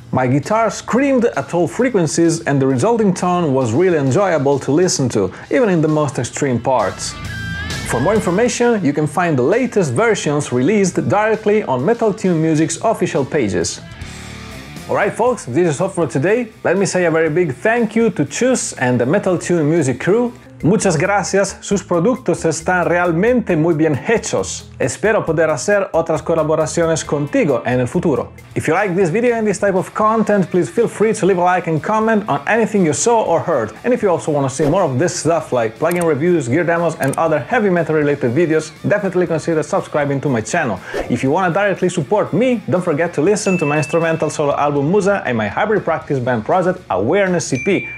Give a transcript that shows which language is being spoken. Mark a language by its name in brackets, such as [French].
[English] My guitar screamed at all frequencies and the resulting tone was really enjoyable to listen to, even in the most extreme parts. For more information, you can find the latest versions released directly on MetalTune Music's official pages. Alright folks, this is all for today. Let me say a very big thank you to Chus and the MetalTune Music crew. [Spanish] Muchas gracias, sus productos están realmente muy bien hechos. Espero poder hacer otras colaboraciones contigo en el futuro. [English] If you like this video and this type of content, please feel free to leave a like and comment on anything you saw or heard. And if you also want to see more of this stuff like plugin reviews, gear demos and other heavy metal related videos, definitely consider subscribing to my channel. If you want to directly support me, don't forget to listen to my instrumental solo album Musa and my hybrid practice band project Awareness EP.